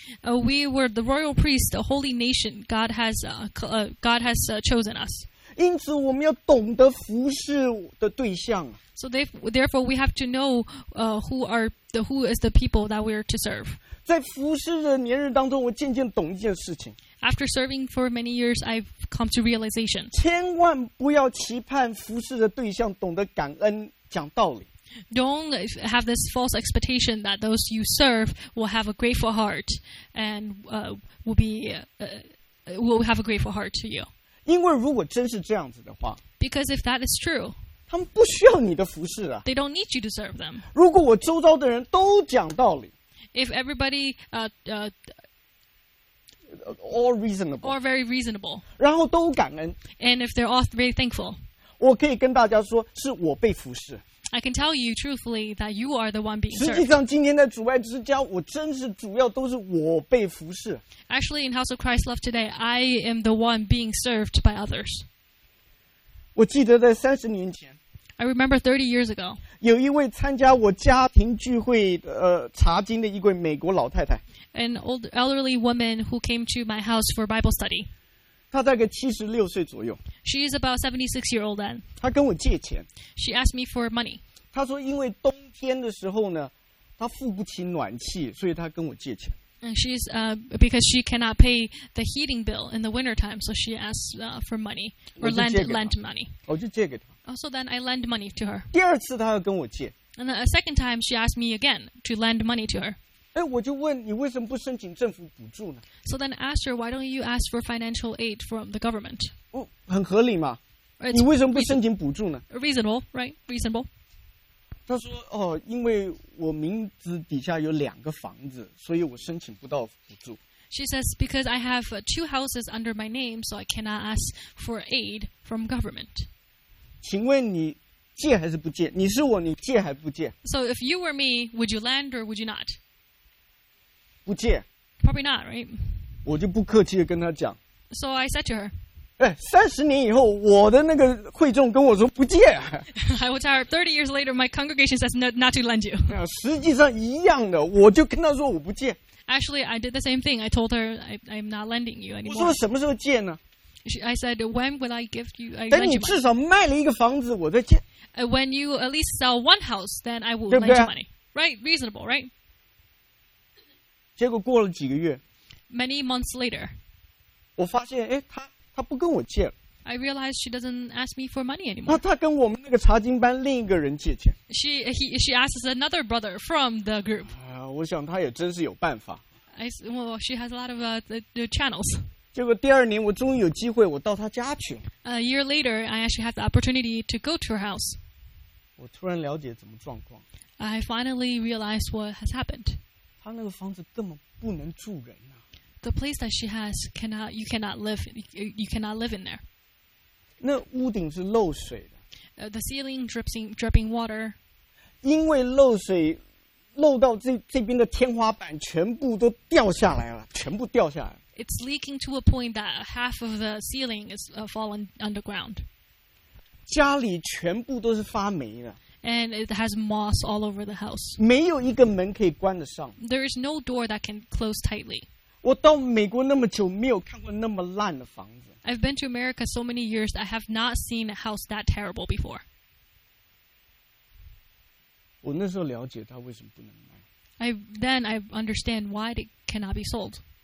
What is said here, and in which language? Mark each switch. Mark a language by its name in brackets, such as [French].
[English] We were the royal priest, a holy nation. God has chosen us. [Chinese] 因此我们要懂得服侍的对象。 [English] So therefore we have to know who is the people that we are to serve. [Chinese] 在服侍的年日当中，我渐渐懂一件事情。 [English] After serving for many years, I've come to realization. [Chinese] 千万不要期盼服侍的对象懂得感恩、讲道理。 [English] Don't have this false expectation that those you serve will have a grateful heart and will have a grateful heart to you. [Chinese] 因为如果真是这样子的话 [English] Because if that is true, [Chinese] 他们不需要你的服侍啊。 [English] They don't need you to serve them. [Chinese] 如果我周遭的人都讲道理 [English] If everybody, All reasonable. Or very reasonable. [Chinese] 然后都感恩。 [English] And if they're all very thankful. [Chinese] 我可以跟大家说是我被服侍。 [English] I can tell you truthfully that you are the one being served. [Chinese] 实际上今天在主外之家我真是主要都是我被服侍。 [English] Actually, in House of Christ Love today, I am the one being served by others. [Chinese] 我记得在30年前。 [English] I remember 30 years ago. [Chinese] 有一位参加我家庭聚会查经的一位美国老太太。 [English] An old elderly woman who came to my house for Bible study. [Chinese] 她大概76岁左右。 [English] She is about 76 years old then. [Chinese] 她跟我借钱。 [English] She asked me for money. [Chinese] 她说因为冬天的时候呢，她付不起暖气，所以她跟我借钱。 [English] And she's because she cannot pay the heating bill in the winter time, so she asks for money or lend money. [Chinese] 我就借给她。 [English] So then I lend money to her. [Chinese] 第二次她要跟我借。 [English] And a second time she asked me again to lend money to her. [Chinese] 哎，我就问你为什么不申请政府补助呢 [English] ？So then, ask her, why don't you ask for financial aid from the government? [Chinese] 哦，很合理嘛。你为什么不申请补助呢 [English] ？Reasonable, right? Reasonable. [Chinese] 他说：“哦，因为我名字底下有两个房子，所以我申请不到补助。” [English] She says, "Because I have two houses under my name, so I cannot ask for aid from government." [Chinese] 请问你借还是不借？你是我，你借还不借 [English] ？So if you were me, would you lend or would you not? [Chinese] 不借 [English] ，probably not, right? [Chinese] 我就不客气的跟他讲。 [English] So I said to her, [Chinese] 哎，30年以后，我的那个会众跟我说不借。 [English] I will tell her 30 years later, my congregation says not to lend you. [Chinese] 实际上一样的，我就跟他说我不借。 [English] Actually, I did the same thing. I told her I'm not lending you anymore. [Chinese] 我说什么时候借呢 [English] ？I said when will I give you? [Chinese] 等你至少卖了一个房子，我再借。 [English] When you at least sell one house, then I will lend you money. Right? Reasonable, right? [Chinese] 结果过了几个月 [English] ，many months later， [Chinese] 我发现，哎，他不跟我借了。 [English] I realized she doesn't ask me for money anymore. [Chinese] 他跟我们那个查经班另一个人借钱。 [English] She asks another brother from the group. [Chinese] 我想他也真是有办法。 [English] She has a lot of the channels. [Chinese] 结果第二年我终于有机会，我到他家去。 [English] A year later, I actually had the opportunity to go to her house. [Chinese] 我突然了解怎么状况。 [English] I finally realized what has happened. [Chinese] 他那个房子根本不能住人啊 [English] The place that she has cannot, you cannot live, you cannot live in there. [Chinese] 那屋顶是漏水的。 [English] The ceiling dripping water. [Chinese] 因为漏水，漏到这边的天花板全部都掉下来了，全部掉下来。 [English] It's leaking to a point that half of the ceiling is fallen underground. [Chinese] 家里全部都是发霉的。 [English] And it has moss all over the house. [Chinese] 没有一个门可以关得上。 [English] There is no door that can close tightly. [Chinese] 我到美国那么久，没有看过那么烂的房子。 [English] I've been to America so many years, I have not seen a house that terrible before. [Chinese] 我那时候了解他为什么不能卖。 Then I understand why it cannot be sold.